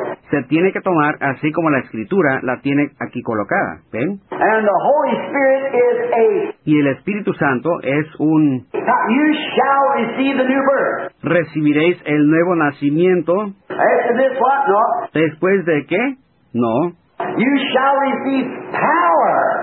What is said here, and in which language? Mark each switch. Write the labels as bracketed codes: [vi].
[es] Se tiene que tomar así como la Escritura la tiene aquí colocada. ¿Ven? [en] And the Holy Spirit is a... [es] Y el Espíritu Santo es un... [en] You shall receive the new birth. [es] Recibiréis el nuevo nacimiento. [en] After this what? No. [es] ¿Después de qué? No. [en] You shall receive power.